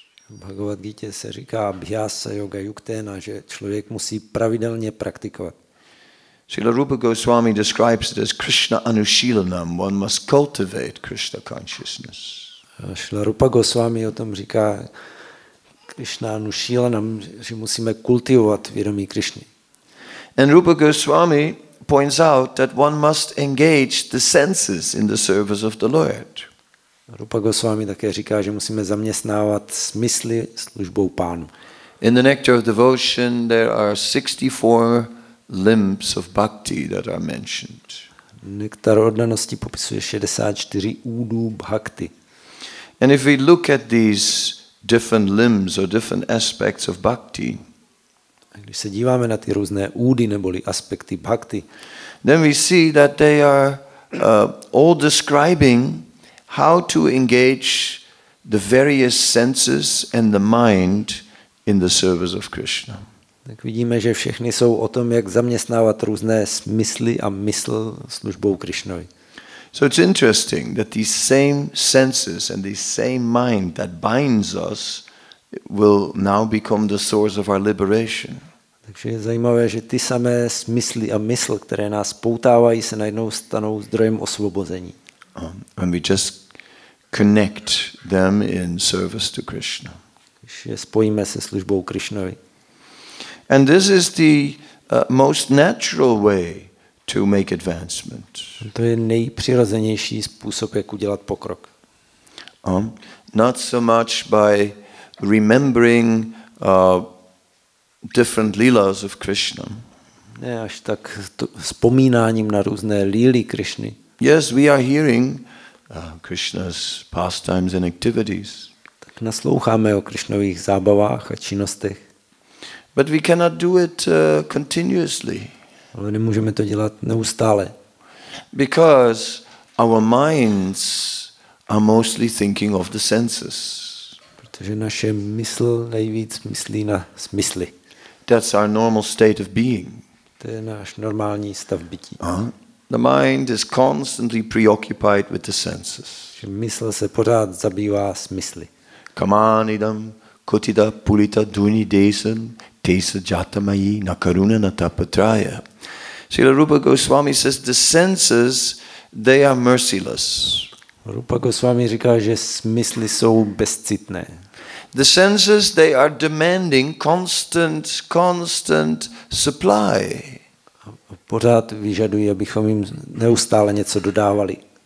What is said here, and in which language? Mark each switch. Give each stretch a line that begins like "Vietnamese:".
Czech: V Bhagavad Gita se říká
Sanskrit: abhyasa yoga yuktena,
Czech: že člověk musí pravidelně praktikovat.
English: Srila Rupa Goswami describes it as Krishna anushilanam, one must cultivate Krishna consciousness.
Czech: Srila Rupa Goswami o tom říká Krishna anushilanam, že musíme kultivovat vědomí Krishny.
English: And Rupa Goswami points out that one must engage the senses in the service of the Lord.
Czech: Rupa Goswami také říká, že musíme zaměstnávat smysly službou Pánu.
English: In the nectar of devotion there are 64 limbs of bhakti that are mentioned.
Czech: Nektar oddanosti popisuje 64 údů bhakti.
English: And if we look at these different limbs or different aspects of bhakti,
Czech: když se díváme na ty různé údy neboli aspekty bhakti,
English: then we see that they are all describing how to engage the various senses and the mind in the service of Krishna.
Czech: Tak vidíme, že všechny jsou o tom, jak zaměstnávat různé smysly a mysl službou Krišnovi.
English: So it's interesting that these same senses and these same mind that binds us will now become the source of our liberation.
Czech: Takže je zajímavé, že ty samé smysly a mysl, které nás poutávají, se najednou stanou zdrojem osvobození.
English: And we just connect them in service to Krishna.
Czech: Když je spojíme se službou Krišnovi.
English: And this is the most natural way to make advancement.
Czech: To je nejpřirozenější způsob, jak udělat pokrok.
English: Not so much by remembering different lilas of Krishna.
Czech: Ne až tak vzpomínáním na různé líly Krishny.
English: Yes, we are hearing Krishna's pastimes and activities.
Czech: Tak nasloucháme o Krishnových zábavách a činnostech.
English: But we cannot do it continuously.
Czech: Ale nemůžeme to dělat neustále.
English: Because our minds are mostly thinking of the senses.
Czech: Protože naše mysl nejvíc myslí na smysly.
English: That's our normal state of being.
Czech: To je náš normální stav bytí.
English: The mind is constantly preoccupied with the senses.
Czech: Že mysl se pořád zabývá smysly.
Sanskrit: Kamanidam kutida pulita duni desan tesa jatamayi nakaruna natapatraya.
English: Srila Rupa Goswami says the senses, they are merciless.
Czech: Rupa Goswami říká, že smysly jsou bezcitné.
English: The senses, they are demanding constant supply.
Czech: Pořád vyžaduje, abychom jim neustále něco dodávali.